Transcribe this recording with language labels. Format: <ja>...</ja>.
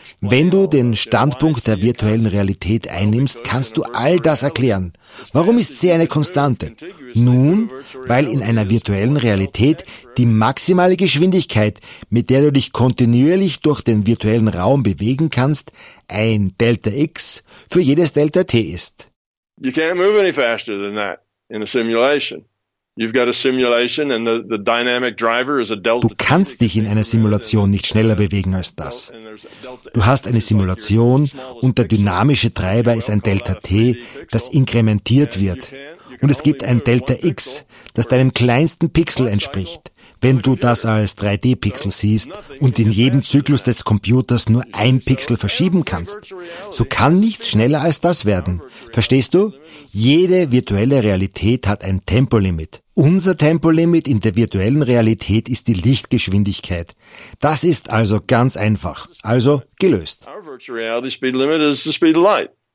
<de>Wenn du den Standpunkt der virtuellen Realität einnimmst, kannst du all das erklären. Warum ist sie eine Konstante? Nun, weil in einer virtuellen Realität die maximale Geschwindigkeit, mit der du dich kontinuierlich durch den virtuellen Raum bewegen kannst, ein Delta X für jedes Delta T ist.</de> <en>You can't move any faster than that in a simulation. You've got a simulation and the dynamic driver is a delta.</en> <de>Du kannst dich in einer Simulation nicht schneller bewegen als das. Du hast eine Simulation und der dynamische Treiber ist ein Delta T, das inkrementiert wird. Und es gibt ein Delta X, das deinem kleinsten Pixel entspricht, wenn du das als 3D-Pixel siehst und in jedem Zyklus des Computers nur ein Pixel verschieben kannst. So kann nichts schneller als das werden. Verstehst du? Jede virtuelle Realität hat ein Tempolimit. Unser Tempolimit in der virtuellen Realität ist die Lichtgeschwindigkeit. Das ist also ganz einfach. Also gelöst.</de> <en>Our virtual reality speed limit is the speed of light.</en>